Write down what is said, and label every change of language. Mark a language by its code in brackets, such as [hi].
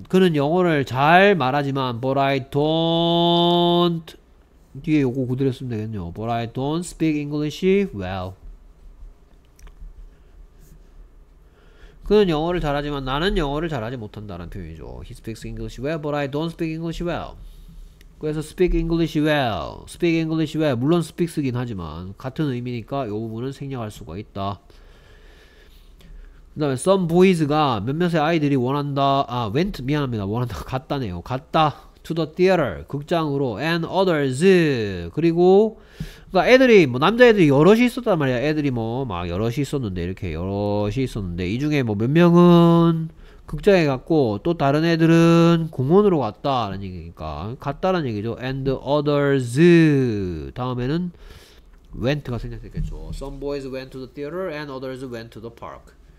[ko] 그는 영어를 잘 말하지만 [en] but I don't [ko] 뒤에 요거 그대로 쓰면 되겠네요. [en] but I don't speak English well. [ko] 그는 영어를 잘하지만 나는 영어를 잘하지 못한다는 표현이죠. [en] he speaks English well but I don't speak English well. [ko] 그래서 [en] speak English well, speak English well. [ko] 물론 speaks긴 하지만 같은 의미니까 요 부분은 생략할 수가 있다. 그 다음에 [en] some boys [ko] 가 몇몇의 아이들이 원한다 아 went 미안합니다 원한다 갔다네요 갔다 [en] to the theater [ko] 극장으로 [en] and others [ko] 그리고 그러니까 애들이 뭐 남자애들이 여럿이 있었단 말이야. 애들이 뭐 막 여럿이 있었는데 이렇게 여럿이 있었는데 이 중에 뭐 몇 명은 극장에 갔고 또 다른 애들은 공원으로 갔다 라는 얘기니까 갔다라는 얘기죠. [en] and others [ko] 다음에는 went가 생략됐겠죠. [en] some boys went to the theater and others went to the park.